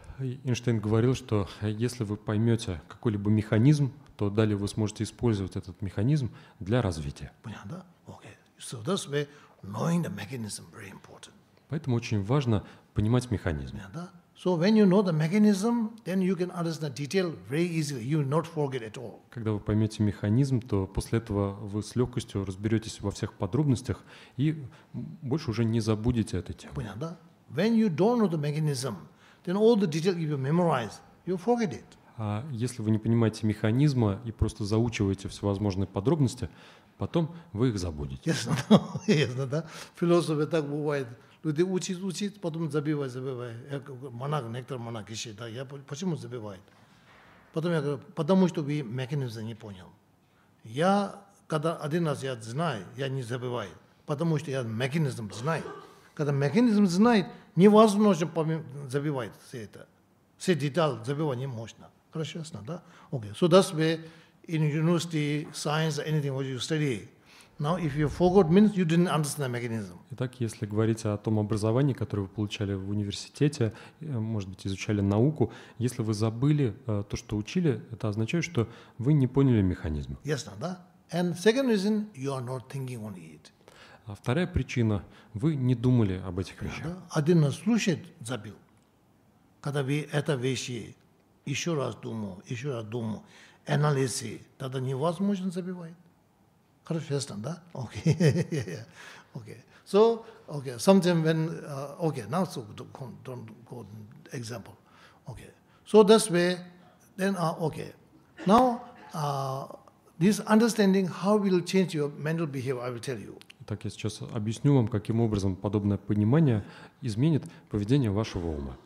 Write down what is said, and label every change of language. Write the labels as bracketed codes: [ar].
[ru] Эйнштейн говорил, что если вы поймете какой-либо механизм, то далее вы сможете использовать этот механизм для развития. Понятно, да? Okay. [en] So that's where knowing the mechanism very important. [ru] Поэтому очень важно понимать механизм. Понятно, да? [en] So when you know the mechanism, then you can understand the detail very easily. You will not forget at all. [ru] Когда вы поймете механизм, то после этого вы с легкостью разберетесь во всех подробностях и больше уже не забудете эту тему. Понятно, да? [en] When you don't know the mechanism, then all the detail you memorize, you forget it. [ru] А если вы не понимаете механизма и просто заучиваете всевозможные подробности, потом вы их забудете. Ясно, да? Философы так бывает. Люди учат, потом забивают. Некоторые монахи, да, я почему забивают? Потом я говорю, потому что вы механизм не понял. Я, когда один раз я знаю, я не забываю, потому что я механизм знаю. Когда механизм знает, невозможно забивать все это. Все детали забивать не можно. Хорошо, ясно, да? Okay. [en] So that's where in university, science, anything what you study, now, if you forgot, means you didn't understand the mechanism. [ru] Итак, если говорить о том образовании, которое вы получали в университете, может быть, изучали науку, если вы забыли то, что учили, это означает, что вы не поняли механизм. Ясно, да? [en] And second reason, you are not thinking on it. [ru] А вторая причина, вы не думали об этих вещах. Да, один раз слушает, забил. Когда вы это вещи еще раз думал, анализы, тогда невозможно забивать. Хорошо, ясно, да? Окей. Окей. [en] So, okay, sometimes when, okay, now so don't go example. Okay. So this way, then, okay. Now, this understanding how will change your mental behavior, I will tell you. [ru] Так, я сейчас объясню вам, каким образом подобное понимание изменит поведение вашего ума.